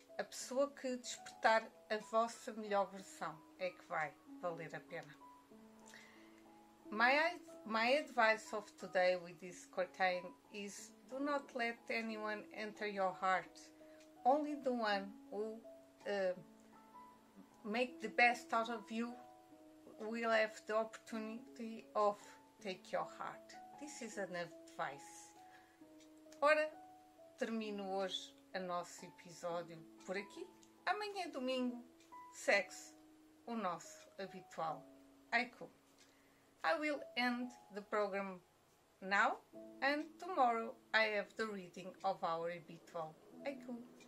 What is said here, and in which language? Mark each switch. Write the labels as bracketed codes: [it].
[pt] A pessoa que despertar a vossa melhor versão é que vai valer a pena. [en] My advice of today with this quartet is do not let anyone enter your heart. Only the one who make the best out of you will have the opportunity of take your heart. This is an advice. [pt] Ora, termino hoje o nosso episódio por aqui. Amanhã, domingo, segue-se o nosso habitual haiku. [en] I will end the program now and tomorrow I have the reading of our habitual haiku.